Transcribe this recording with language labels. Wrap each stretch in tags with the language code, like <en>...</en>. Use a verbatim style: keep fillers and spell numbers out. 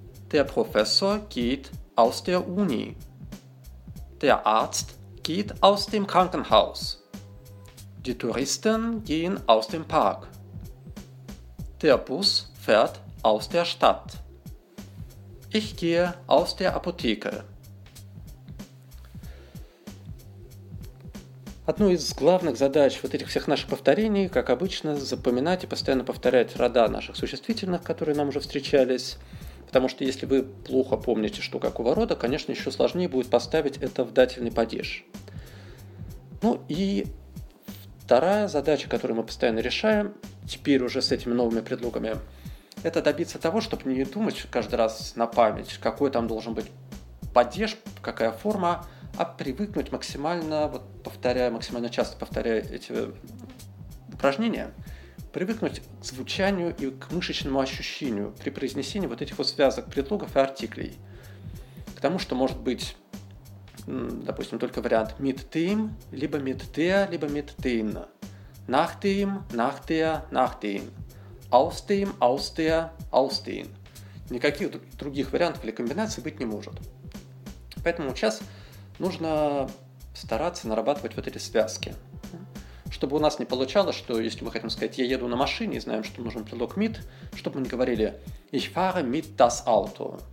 <de>Der Professor geht aus der Uni. Der Arzt geht aus dem Krankenhaus. Die Touristen gehen aus dem Park. Der Bus fährt aus der Stadt. Ich gehe aus der Apotheke.</de> <ru>Одной из главных задач вот этих всех наших повторений, как обычно, запоминать и постоянно повторять рода наших существительных, которые нам уже встречались. Потому что если вы плохо помните, что какого рода, конечно, еще сложнее будет поставить это в дательный падеж. Ну и вторая задача, которую мы постоянно решаем, теперь уже с этими новыми предлогами, это добиться того, чтобы не думать каждый раз на память, какой там должен быть падеж, какая форма, а привыкнуть максимально, вот повторяя, максимально часто повторяя эти упражнения, привыкнуть к звучанию и к мышечному ощущению при произнесении вот этих вот связок предлогов и артиклей. К тому, что может быть, допустим, только вариант</ru> <de>mit dem,</de> <ru>либо</ru> <de>mit der,</de> <ru>либо</ru> <de>mit den. Nach dem, nach der, nach den. Aus dem, aus der, aus den.</de> <ru>Никаких других вариантов или комбинаций быть не может. Поэтому сейчас нужно стараться нарабатывать вот эти связки. Чтобы у нас не получалось, что если мы хотим сказать «я еду на машине» и знаем, что нужен предлог «mit», чтобы мы не говорили</ru> <de>«ich fahre mit das Auto».</de>